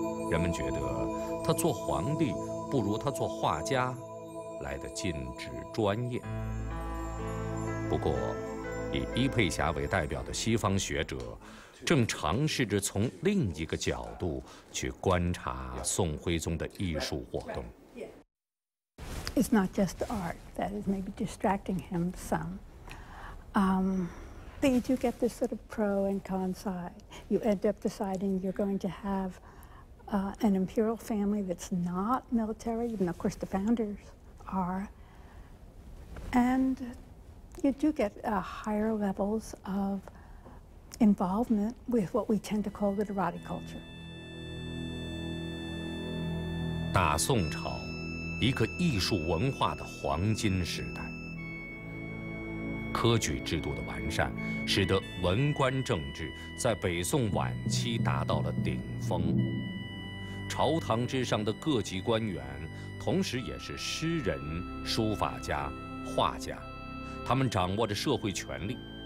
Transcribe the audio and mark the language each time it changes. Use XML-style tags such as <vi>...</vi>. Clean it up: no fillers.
<zh>人们觉得他做皇帝不如他做画家来得尽职专业。不过，以伊佩霞为代表的西方学者正尝试着从另一个角度去观察宋徽宗的艺术活动。</zh> <en>It's not just the art that is maybe distracting him some. They do get this sort of pro and con side. You end up deciding you're going to have an imperial family that's not military, even though of course the founders are. And you do get higher levels of involvement with what we tend to call literati culture.</en> <zh>大宋朝，一个艺术文化的黄金时代。科举制度的完善，使得文官政治在北宋晚期达到了顶峰。朝堂之上的各级官员，同时也是诗人、书法家、画家，他们掌握着社会权力。</zh>